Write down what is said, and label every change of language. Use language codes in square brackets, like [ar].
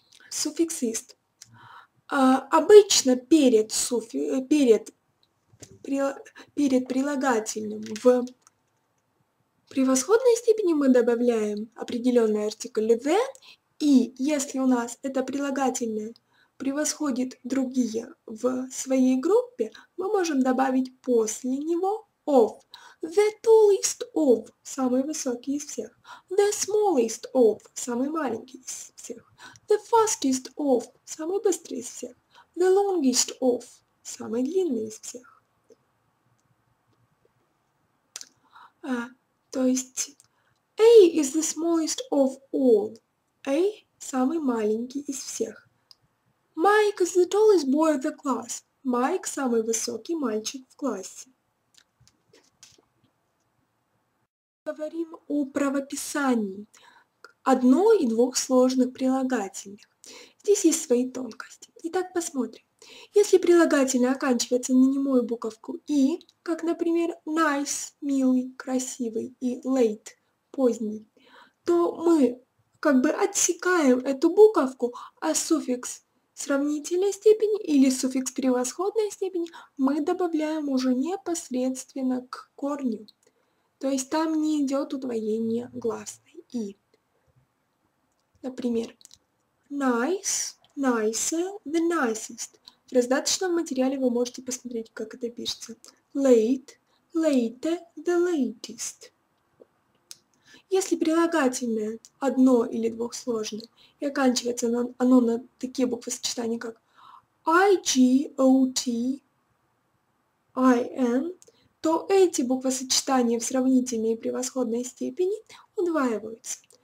[ru] Суффикс -ист. Обычно перед прилагательным в превосходной степени мы добавляем определенный артикль the, и если у нас это прилагательное превосходит другие в своей группе, мы можем добавить после него of. [en] The tallest of [ru] – самый высокий из всех. [en] The smallest of [ru] – самый маленький из всех. [en] The fastest of [ru] – самый быстрый из всех. [en] The longest of [ru] – самый длинный из всех. То есть, [en] A is the smallest of all. [ru] A – самый маленький из всех. [en] Mike is the tallest boy of the class. [ru] Mike – самый высокий мальчик в классе. Говорим о правописании одно и двух сложных прилагательных. Здесь есть свои тонкости. Итак, посмотрим. Если прилагательное оканчивается на немую буковку «и», как, например, «nice» – «милый», «красивый» и «late» – «поздний», то мы как бы отсекаем эту буковку, а суффикс сравнительной степени или суффикс превосходной степени мы добавляем уже непосредственно к корню. То есть там не идет удвоение гласной «и». [en] Например, «nice», «nice», «the nicest». [ru] В раздаточном материале вы можете посмотреть, как это пишется. [en] «Late», «late», «the latest». [ru] Если прилагательное одно или двухсложное и оканчивается оно на такие буквосочетания, как «igotin», то эти буквосочетания в сравнительной и превосходной степени удваиваются.